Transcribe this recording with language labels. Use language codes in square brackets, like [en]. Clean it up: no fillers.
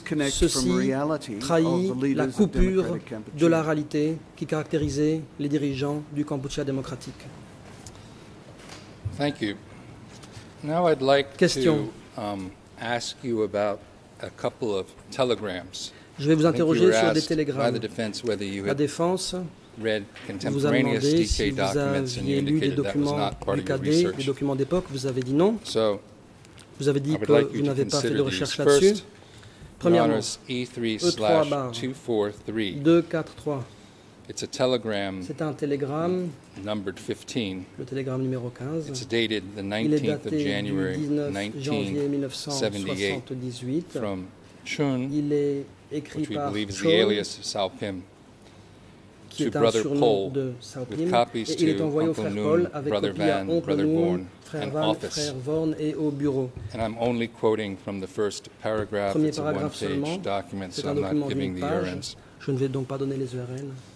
[fr] Ceci trahit la coupure de la réalité qui caractérisait les dirigeants du Kampuchea démocratique. [en] Thank you. Now I'd like [fr] question. [en] To ask you about a couple of telegrams. [fr] Je vais vous interroger sur des télégrammes. [en] By the defense whether you [fr] la défense [en] read contemporaneous DK documents and you indicated that was not part of your research. [fr] UKD, des documents d'époque, vous avez dit non. [en] So, [fr] vous avez dit que vous n'avez pas fait de recherche là-dessus. Premièrement, E3/243. C'est un télégramme, le télégramme numéro 15. [en] It's dated the 19th of January, 1978. [fr] Il est écrit par Chun, [en] which we believe is the alias of Sao Pim, [fr] qui est un surnom de Sao Pim, et il est envoyé au frère Paul avec copie à Oncle Noon, frère Van, frère Vorn et au bureau. Premier paragraphe seulement, c'est un document d'une page, je ne vais donc pas donner les URL.